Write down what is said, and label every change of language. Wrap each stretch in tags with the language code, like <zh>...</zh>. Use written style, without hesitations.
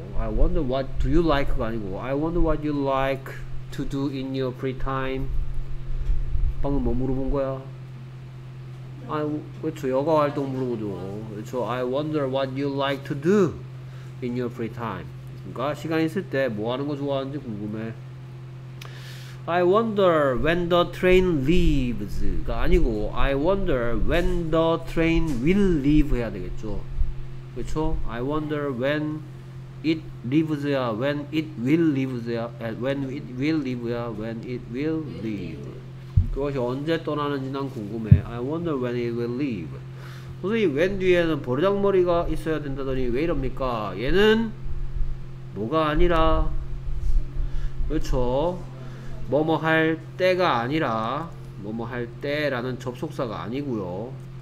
<en>I wonder what do you like</en> <ko>가 아니고</ko> <en>I wonder what you like to do in your free time.</en> <ko>방금 뭐 물어본 거야? 그렇죠. 여가 활동 물어보죠. 그렇죠.</ko> <en>I wonder what you like to do in your free time.</en> <ko>그러니까 시간 있을 때 뭐 하는 거 좋아하는지 궁금해.</ko> <en>I wonder when the train leaves</en> <ko>가 아니고</ko> <en>I wonder when the train will leave</en> <ko>해야 되겠죠. 그렇죠?</ko> <en>I wonder when it leaves ya, when it will leave ya, when it will leave ya, when it will leave.</en> <ko>그것이 언제 떠나는지 난 궁금해.</ko> <en>I wonder when it will leave.</en> <ko>선생님, when 뒤에는 버르장머리가 있어야 된다더니 왜 이럽니까? 얘는 뭐가 아니라, 그렇죠? 뭐뭐 할 때가 아니라, 뭐뭐 할 때라는 접속사가 아니고요.</ko>